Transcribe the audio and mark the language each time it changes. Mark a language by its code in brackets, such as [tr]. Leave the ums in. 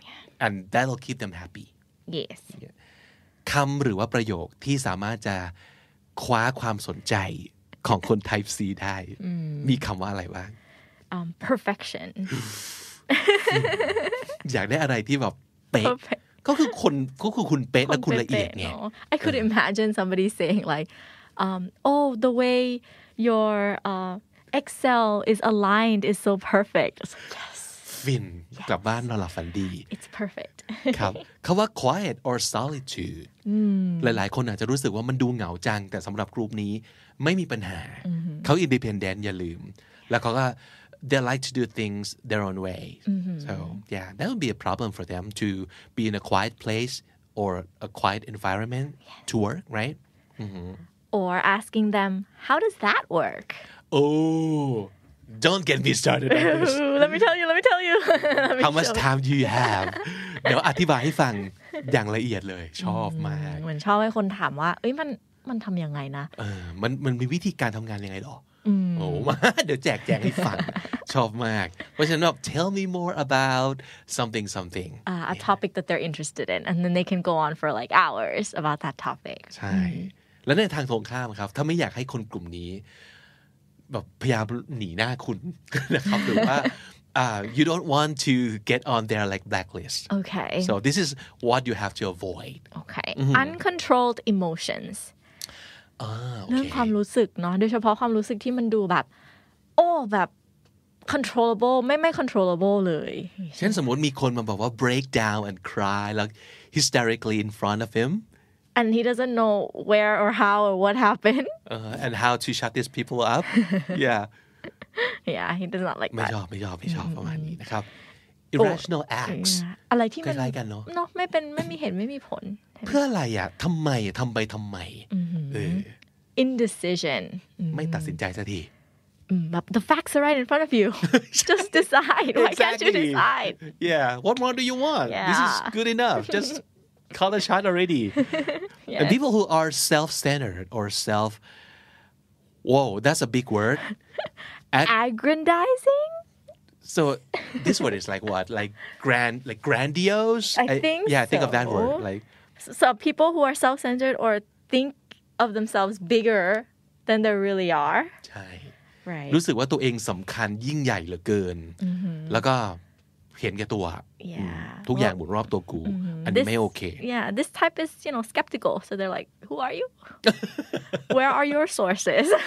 [en] yeah and that'll keep them happy yes [th] คำหรือว่าประโยคที่สามารถจะคว้าความสนใจของคน Type C ได้มีคำว่าอะไรบ้าง [en] um, perfection [th] อยากได้อะไรที่แบบเป๊ะก็คือคนก็คือคุณเป๊ะและคุณละเอียดเนี่ย [en] I could imagine somebody saying like um, oh the way your uh, Excel is aligned is so perfect yes [th] ฟินกลับบ้านนอนหลับฝันดี [en] it's perfect [th] ครับคาว่า quiet or solitude หลายหลายคนอาจจะรู้สึกว่ามันดูเหงาจังแต่สำหรับกรุ่มนี้ไม่มีปัญหาเขา independent อย่าลืม แล้วเขาก็ [en] they like to do things their own way so yeah that would be a problem for them to be in a quiet place or a quiet environment to work right or asking them, how does that work? Oh, don't get me started on this. let me tell you, let me tell you. me how much time do you have? [th] เดี๋ยวอธิบายให้ฟังอย่างละเอียดเลยชอบมาก เหมือนชอบให้คนถามว่าเอ้ยมันมันทำยังไงนะ เออมันมันมีวิธีการทำงานยังไงหรอโอ้มาเดี๋ยวแจกแจงให้ฟังชอบมากเพราะฉะนั้นแบบ [en] tell me more about something something a topic that they're interested in and then they can go on for like hours about that topic [th] ใช่และในทางตรงข้ามครับถ้าไม่อยากให้คนกลุ่มนี้ แบบพยายามหนีหน้าคุณนะครับหรือว่า [en] uh, you don't want to get on their like blacklist okay so this is what you have to avoid okay mm-hmm. uncontrolled emotions [th] เรื่องความรู้สึกเนาะโดยเฉพาะความรู้สึกที่มันดูแบบโอ้แบบ controllable ไม่ไม่ controllable เลย เช่นสมมติมีคนมาบอกว่า [en] break down and cry like hysterically in front of him and he doesn't know where or how or what happened. Uh, and how to shut these people up. yeah. yeah, he does not like ไม่ช [th] อบไม่ชอบไม่ชอบประมาณนี้นะครับ irrational acts อะไรที่มันอะไรกันเนาะเนาะไม่เป็นไม่มีเหตุไม่มีผล เพื่ออะไรอ่ะทำไมทำไปทำไมเออ [en] indecision [th] ไม่ตัดสินใจสักที [en] the facts are right in front of you just decide exactly. why can't you decide yeah what more do you want yeah. this is good enough just call the already. yeah. And people who are self-centered or self whoa, that's a big word. Ag- Aggrandizing. So this word is like what? Like grand like grandiose? I think. I, yeah, so. think of that word. Like so, people who are self-centered or think of themselves bigger than they really are. Right. รู้ [th] สึกว่าตัวเองสำคัญยิ่งใหญ่เหลือเกินแล้วก็ mm-hmm. เห็นแก่ตัว y e ทุกอย่างหมุนรอบตัวกูอันนี้ไม่โอเค [en] yeah this type is you know skeptical so they're like who are you where are your sources